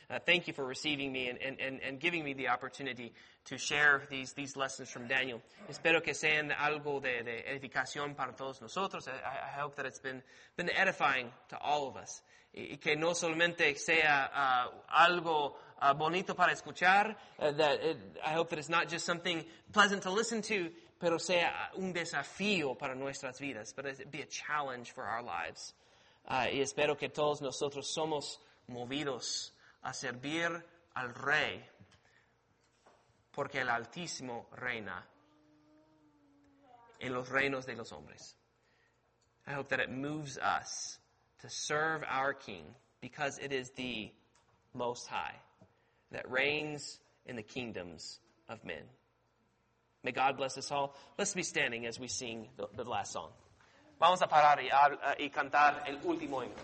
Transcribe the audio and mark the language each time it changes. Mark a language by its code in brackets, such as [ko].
[en] Thank you for receiving me and giving me the opportunity to share these lessons from Daniel. [es] Espero que sean algo de edificación para todos nosotros. [en] I hope that it's been edifying to all of us. [es] Y que no solamente sea algo bonito para escuchar, [en] I hope that it's not just something pleasant to listen to, [es] pero sea un desafío para nuestras vidas, [en] but it be a challenge for our lives. [es] Y espero que todos nosotros somos movidos a servir al Rey, porque el Altísimo reina en los reinos de los hombres. [en] I hope that it moves us to serve our King, because it is the Most High that reigns in the kingdoms of men. May God bless us all. Let's be standing as we sing the last song. [es] Vamos a parar y cantar el último himno.